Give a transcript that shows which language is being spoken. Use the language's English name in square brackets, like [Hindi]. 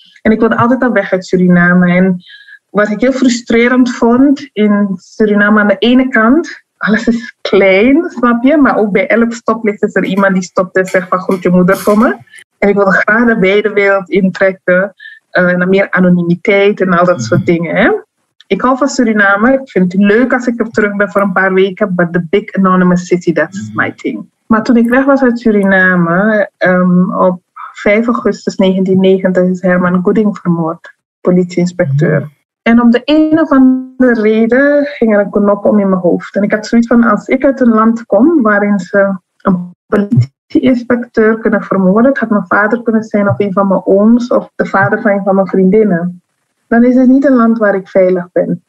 [Dutch] En ik wilde altijd al weg uit Suriname. En wat ik heel frustrerend vond in Suriname, aan de ene kant, alles is klein, snap je? Maar ook bij elk stoplicht is er iemand die stopt en zegt van, groet je moeder, kom maar. En ik wilde graag de wijde wereld intrekken. En dan meer anonimiteit en al dat soort dingen. Hè? Ik hou van Suriname. Ik vind het leuk als ik er terug ben voor een paar weken. [English] But the big anonymous city, that's my thing. [Dutch] Maar toen ik weg was uit Suriname, op 5 augustus 1990 is Herman Gooding vermoord. Politieinspecteur. En om de een of andere reden ging er een knop om in mijn hoofd. En ik had zoiets van, als ik uit een land kom waarin ze een politieinspecteur kunnen vermoorden, het had mijn vader kunnen zijn of een van mijn ooms of de vader van een van mijn vriendinnen, dan is het niet een land waar ik veilig ben.